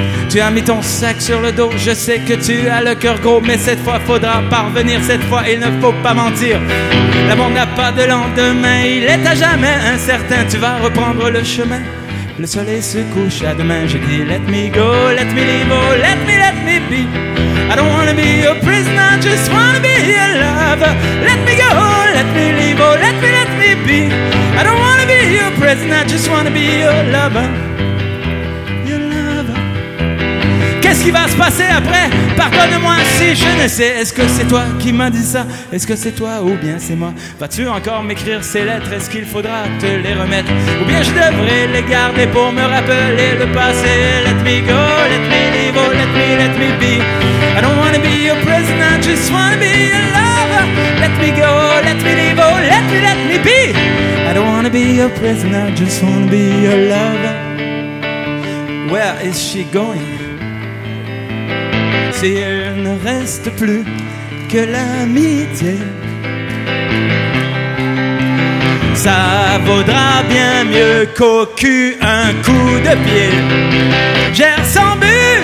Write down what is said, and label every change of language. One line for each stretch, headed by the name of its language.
French: Tu as mis ton sac sur le dos, je sais que tu as le cœur gros, mais cette fois faudra parvenir, cette fois il ne faut pas mentir. L'amour n'a pas de lendemain, il est à jamais incertain, tu vas reprendre le chemin. Le soleil se couche à demain, j'ai dit
English: let me go, let me leave, oh, let me be. I don't wanna be your prisoner, just wanna be your lover. Let me go, let me leave, oh, let me be. I don't wanna be your prisoner, just wanna be your lover. Your lover.
French: Qu'est-ce qui va se passer après? Pardonne-moi si je ne sais. Est-ce que c'est toi qui m'as dit ça? Est-ce que c'est toi ou bien c'est moi? Vas-tu encore m'écrire ces lettres? Est-ce qu'il faudra te les remettre? Ou bien je devrais les garder pour me rappeler le passé?
English: Let me go, let me leave, oh, let me be. I don't wanna be your prisoner, just wanna be your lover. Let me go, let me leave, oh, let me be. I don't wanna be your prisoner, just wanna be your lover. Where is she going?
French: Si il ne reste plus que l'amitié, ça vaudra bien mieux qu'au cul un coup de pied. Gère sans but.